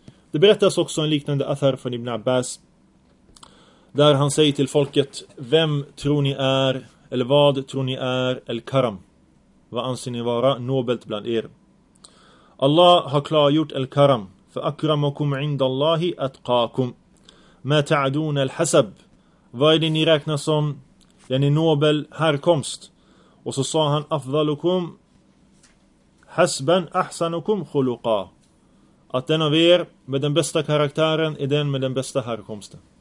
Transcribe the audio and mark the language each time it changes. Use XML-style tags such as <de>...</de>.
<sv>Det berättas också en liknande affär från Ibn Abbas, där han säger till folket: vem tror ni är, eller vad tror ni är el-karam? Vad anser ni vara nobelt bland er? Allah har klargjort el-karam:</sv> <ar>فَأَكْرَمَكُمْ عِنْدَ اللَّهِ أَتْقَاكُمْ مَا تَعْدُونَ الْحَسَبْ.</ar> <sv>Vad är det ni räknar som den nobel härkomst? Och så sa han:</sv> <ar>afdalukum hasban ahsanukum khuluqa.</ar> <sv>Att den av er med den bästa karaktären är den med den bästa härkomsten.</sv>